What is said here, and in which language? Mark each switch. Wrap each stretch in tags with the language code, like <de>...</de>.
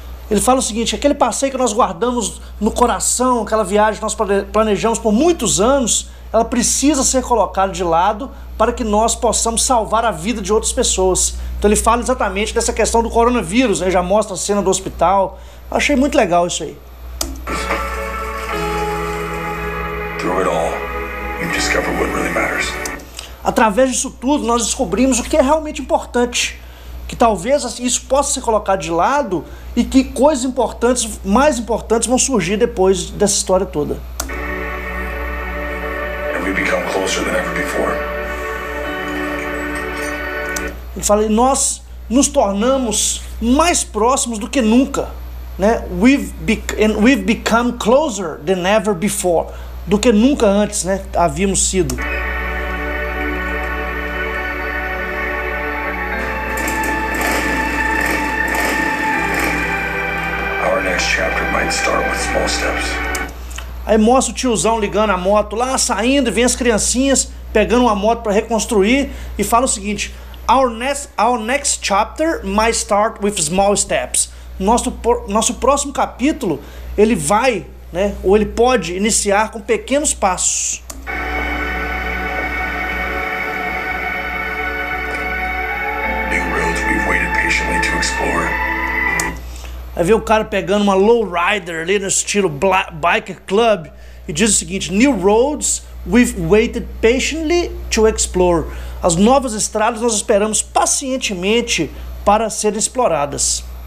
<pt>Ele fala o seguinte: aquele passeio que nós guardamos no coração, aquela viagem que nós planejamos por muitos anos, ela precisa ser colocada de lado para que nós possamos salvar a vida de outras pessoas. Então ele fala exatamente dessa questão do coronavírus, né? Já mostra a cena do hospital. Achei muito legal isso aí.</pt> <en>Through it all, you discover what really matters.</en> <pt>Através disso tudo, nós descobrimos o que é realmente importante. Que talvez isso possa ser colocado de lado e que coisas importantes, mais importantes, vão surgir depois dessa história toda.</pt> <en>And we become closer than ever before.</en> <pt>Ele fala, nós nos tornamos mais próximos do que nunca. Né?</pt> <en>We've become closer than ever before.</en> <pt>Do que nunca antes, né, havíamos sido.</pt> <en>Our next chapter might start with small steps.</en> <pt>Aí mostra o tiozão ligando a moto lá, saindo, e vem as criancinhas pegando uma moto para reconstruir e fala o seguinte:</pt> <en>Our next chapter might start with small steps.</en> <pt>Nosso próximo capítulo, ele vai, né, ou ele pode iniciar com pequenos passos.</pt> <en>New roads we've waited patiently to explore.</en> <pt>Aí vem o cara pegando uma lowrider ali no estilo Biker Club e diz o seguinte:</pt> <en>New roads we've waited patiently to explore.</en> <pt>As novas estradas nós esperamos pacientemente para serem exploradas.</pt>